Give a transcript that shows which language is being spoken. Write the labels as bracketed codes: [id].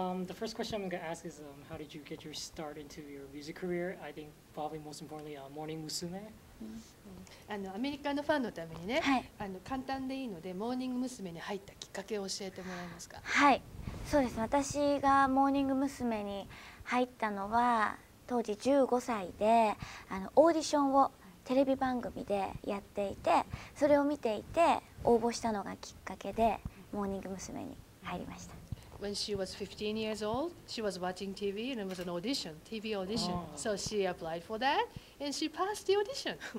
[en] The first question I'm going to ask is, how did you get your start into your music career? I think probably most importantly, Morning Musume. [ja] アメリカのファンのためにね、簡単でいいのでモーニング娘に入ったきっかけを教えてもらえますか。はい、そうです。私がモーニング娘に入ったのは当時15歳で、オーディションをテレビ番組でやっていて、それを見ていて応募したのがきっかけでモーニング娘に入りました。 [en] When she was 15 years old, she was watching TV and it was an audition, TV audition. Oh. So she applied for that and she passed the audition.